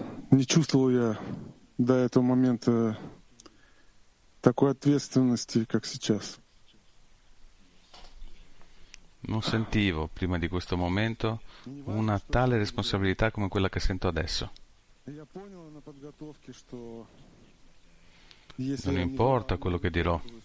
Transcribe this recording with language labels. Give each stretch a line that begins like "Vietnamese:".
Russian: Не чувствовал я до этого момента такой ответственности, как сейчас.
Italian: Non sentivo prima di questo momento una tale responsabilità come quella che sento adesso.
Russian: Я понял на подготовке, что
Italian: Non importa quello che dirò.